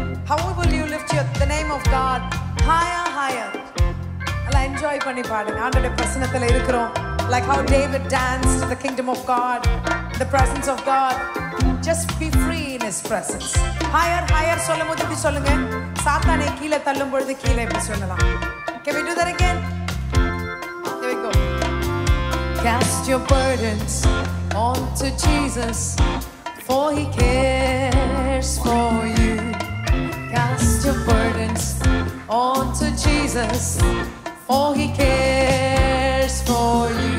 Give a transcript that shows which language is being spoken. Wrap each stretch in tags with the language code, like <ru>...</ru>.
<en>How will you lift your, the name of God higher, higher?</en> <ta>அலை enjoy பண்ணி பாடுங்க. ஆண்டவர் பிரசன்னத்தில் இருக்கிறோம்.</ta> <en>Like how David danced the kingdom of God, the presence of God. Just be free in his presence.</en> <ta>Higher, higher சொல்லும் போது இப்படி சொல்லுங்க. சாத்தானை கீழே தள்ளும் பொழுது கீழே இப்படி சொல்லலாம்.</ta> <en>Can we do that again? Cast your burdens onto Jesus, for he cares for you. Cast your burdens onto Jesus, for he cares for you.</en>